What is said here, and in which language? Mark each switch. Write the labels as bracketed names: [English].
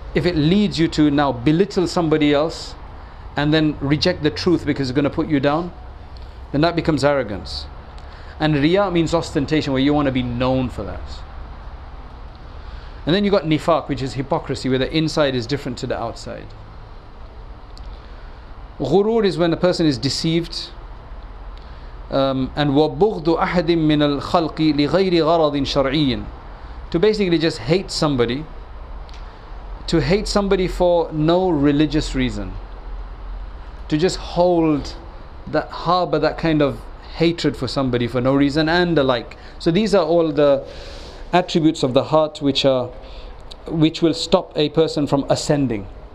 [English] If it leads you to now belittle somebody else and then reject the truth because it's going to put you down, then that becomes arrogance. And riya means ostentation, where you want to be known for that. And then you got nifaq, which is hypocrisy, where the inside is different to the outside. Ghurur is when a person is deceived. And [Arabic] وَبُغْضُ أَحَدٍ مِّنَ الْخَلْقِ لِغَيْرِ غَرَضٍ شَرْعِيٍ. [English] To basically just hate somebody. To hate somebody for no religious reason. To just harbor that kind of hatred for somebody for no reason, and the like. So these are all the attributes of the heart which will stop a person from ascending.